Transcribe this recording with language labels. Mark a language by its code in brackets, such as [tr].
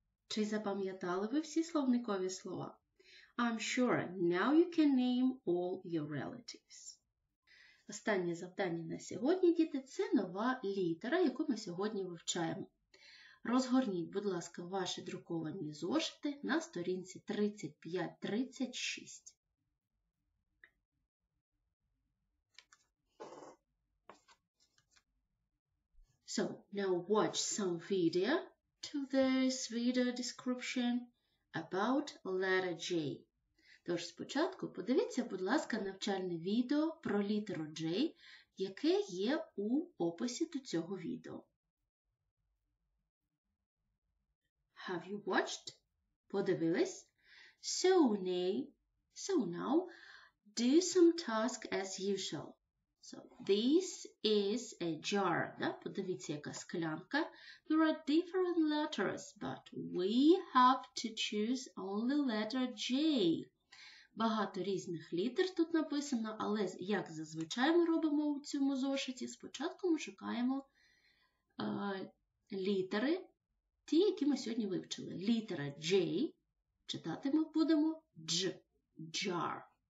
[uk] Чи запам'ятали ви всі словникові слова? [en] I'm sure now you can name all your relatives. [uk] Останнє завдання на сьогодні, діти, це нова літера, яку ми сьогодні вивчаємо. Розгорніть, будь ласка, ваші друковані зошити на сторінці 35-36. [en] So, now watch some video to this video description about letter J. [uk] Тож, спочатку подивіться, будь ласка, навчальне відео про літеру J, яке є у описі до цього відео. [en] Have you watched? [uk] Подивились? [en] So now, do some task as usual. So, this is a jar. Да? [uk] Подивіться, яка склянка. [en] There are different letters, but we have to choose only letter J. [uk] Багато різних літер тут написано, але як зазвичай ми робимо у цьому зошиті, спочатку ми шукаємо літери, ті, які ми сьогодні вивчили. Літера J, читати ми будемо J, jar.